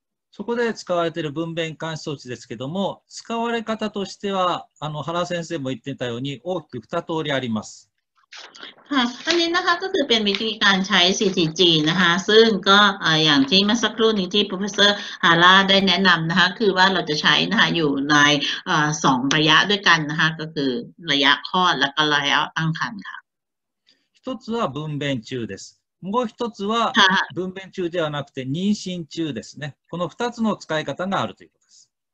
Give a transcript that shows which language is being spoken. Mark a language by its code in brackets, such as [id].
[ja] そこで使われている分娩監視装置ですけども、使われ方としては、原先生も言ってたように、大きく2通りあります。はい、これなんか [th] ก็คือเป็นวิธีการใช้ CTG นะคะ、ซึ่งก็อย่างที่เมื่อสักครู่นี้ที่ Professor Hara ได้แนะนำนะคะ、คือว่าเราจะใช้นะคะ、อยู่ใน2ระยะด้วยกันนะคะ、ก็คือระยะคลอดและก็ระยะตั้งครรภ์ค่ะ。 [ja] 一つは分娩中です。もう一つは分娩中ではなくて妊娠中ですね。この二つの使い方があるということです。